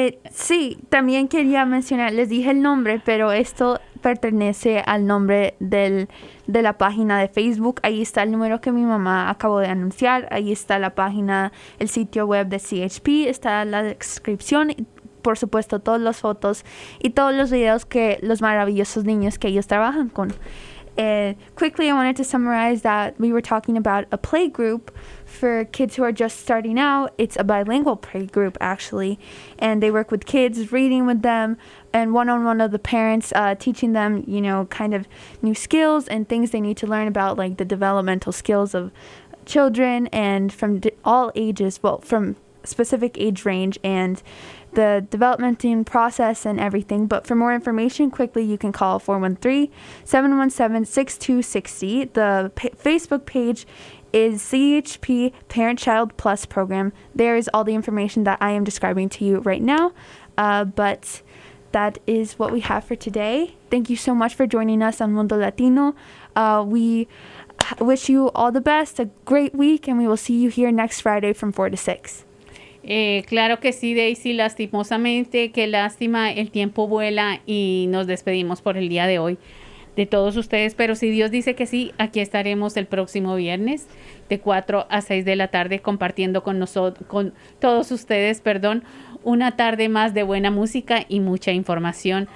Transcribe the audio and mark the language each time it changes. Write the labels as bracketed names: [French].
[Spanish] Sí, también quería mencionar, les dije el nombre, pero esto pertenece al nombre de la página de Facebook. Ahí está el número que mi mamá acabó de anunciar. Ahí está la página, el sitio web de CHP. Está la descripción. Por supuesto, todas las fotos y todos los videos que los maravillosos niños que ellos trabajan con. [English] Quickly, I wanted to summarize that we were talking about a play group for kids who are just starting out. It's a bilingual play group, actually. And they work with kids, reading with them, and one-on-one of the parents teaching them, you know, kind of new skills and things they need to learn about, like the developmental skills of children and from all ages, well, from specific age range and the developmenting process and everything. But for more information, quickly, you can call 413-717-6260. The Facebook page is CHP Parent Child Plus Program. There is all the information that I am describing to you right now. But that is what we have for today. Thank you so much for joining us on Mundo Latino. We wish you all the best, a great week, and we will see you here next Friday from 4 to 6. [Spanish] Claro que sí, Daisy, lastimosamente, qué lástima, el tiempo vuela y nos despedimos por el día de hoy de todos ustedes, pero si Dios dice que sí, aquí estaremos el próximo viernes de 4 a 6 de la tarde compartiendo con todos ustedes, una tarde más de buena música y mucha información.